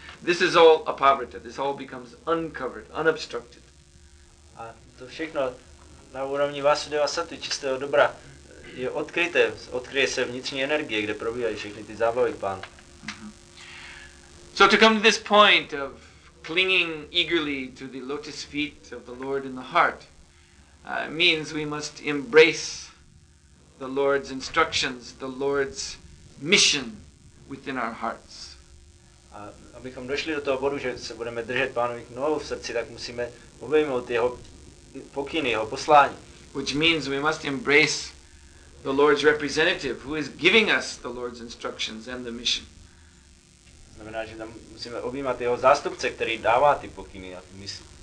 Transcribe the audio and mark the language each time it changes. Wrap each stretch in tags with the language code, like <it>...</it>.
<en>This is all apavrita, this all becomes uncovered, unobstructed.</en> <cs>A to všechno na úrovni Vasudeva Sattvy, čistého dobra, je odkryté, odkryje se vnitřní energie, kde probíhají všechny ty zábavy, pán.</cs> <en>So to come to this point of clinging eagerly to the lotus feet of the Lord in the heart means we must embrace the Lord's instructions, the Lord's mission within our hearts.</en> <cs>A abychom došli do toho bodu, že se budeme držet pánových nohou v srdci, tak musíme obejmout jeho pokyny, jeho poslání.</cs> <en>Which means we must embrace the Lord's representative who is giving us the Lord's instructions and the mission.</en> <cs>Znamená, že tam musíme objímat jeho zástupce, který dává ty pokyny a tu misi.</cs>